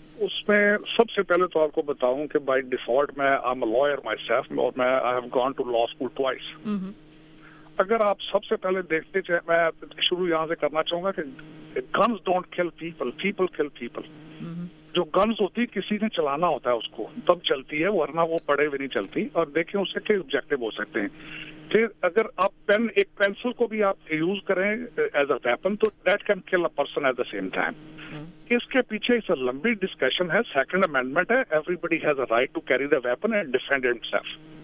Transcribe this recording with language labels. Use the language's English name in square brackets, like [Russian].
[Urdu] اس میں سب سے پہلے تو آپ کو بتاؤں کہ [English] by default میں I am a liar myself, [Urdu] اور میں [English] I have gone to law school twice. [Urdu] اگر آپ سب سے پہلے دیکھتے چاہے, میں شروع یہاں سے کرنا چاہوں گا کہ [English] guns don't kill people, [Urdu] پیپل کل پیپل. جو گنز ہوتی ہے کسی نے چلانا ہوتا ہے اس کو, تب چلتی ہے, ورنہ وہ پڑے بھی نہیں چلتی. اور دیکھیں اس سے کئی آبجیکٹو ہو سکتے ہیں. پھر اگر آپ پین, ایک پینسل کو بھی آپ یوز کریں [English] As a weapon, تو that can kill a person at the same time. [Urdu] اس کے پیچھے اس لمبی ڈسکشن ہے, سیکنڈ امینڈمنٹ ہے, [English] Everybody has a right to carry the weapon and defend himself.